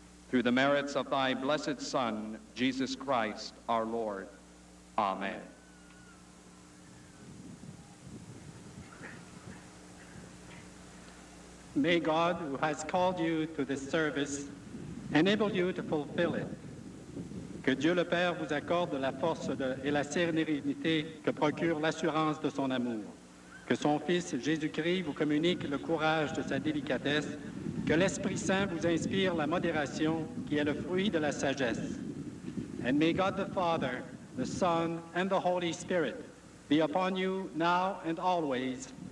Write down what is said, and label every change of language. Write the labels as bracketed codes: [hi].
[en] Through the merits of thy blessed Son, Jesus Christ, our Lord. Amen. May God, who has called you to this service, enable you to fulfill it. [fr] Que Dieu le Père vous accorde la force et la sérénité que procure l'assurance de son amour. Que son Fils Jésus-Christ vous communique le courage de sa délicatesse. Que l'Esprit Saint vous inspire la modération qui est le fruit de la sagesse. [en] And may God the Father, the Son, and the Holy Spirit be upon you now and always.